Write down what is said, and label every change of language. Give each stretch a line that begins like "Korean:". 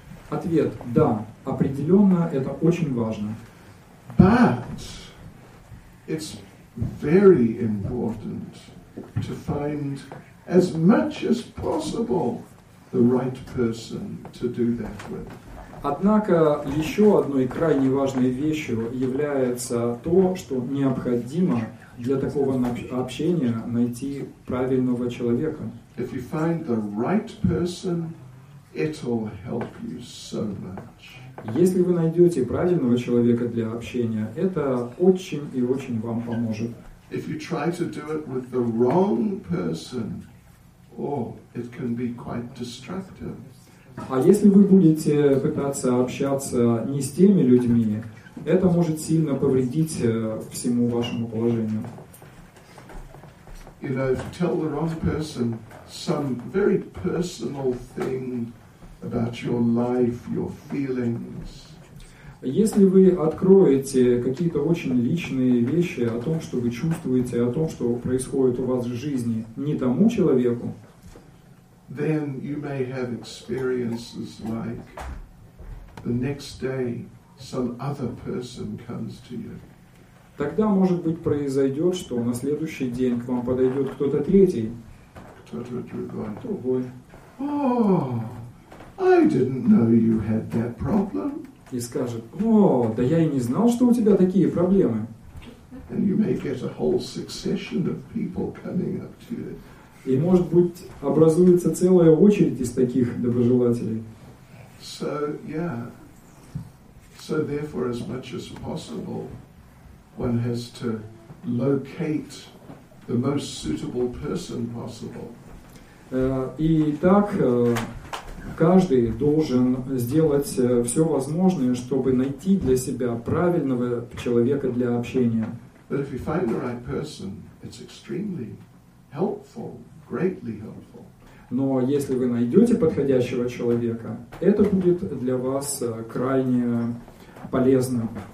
Russian: Ответ: да, определенно это очень важно.
English: But it's very important to find as much as possible the right person to do that with.
Russian: Однако еще одной крайне важной вещью является то, что необходимо для такого общения найти правильного человека.
English: If you find the right person, it'll help you so much.
Russian: Если вы найдете правильного человека для общения, это очень и очень вам поможет.
English: If you try to do it with the wrong person, oh, it can be quite destructive.
Russian: А если вы будете пытаться общаться не с теми людьми, это может сильно повредить всему вашему положению.
English: You know, if you tell the wrong person some very personal thing about your life, your feelings.
Russian: Если вы откроете какие-то очень личные вещи о том, что вы чувствуете, о том, что происходит у вас в жизни, не тому человеку,
English: then you may have experiences like the next day some other person comes to you.
Russian: Тогда, может быть, произойдет, что на следующий день к вам подойдет кто-то третий. Кто-то другой. Другой.
English: Oh, I didn't know you had that problem.
Russian: И скажет: о, да я и не знал, что у тебя такие проблемы.
English: And you may get a whole succession of people coming up to you.
Russian: И, может быть, образуется целая очередь из таких доброжелателей.
English: So, yeah. So, therefore, as much as possible, one has to locate the most suitable person possible.
Russian: И так, каждый должен сделать все возможное, чтобы найти для себя правильного человека для общения.
English: But if you find the right person, it's extremely helpful. Greatly helpful.
Russian: Но если вы найдете подходящего человека, это будет для вас крайне полезно.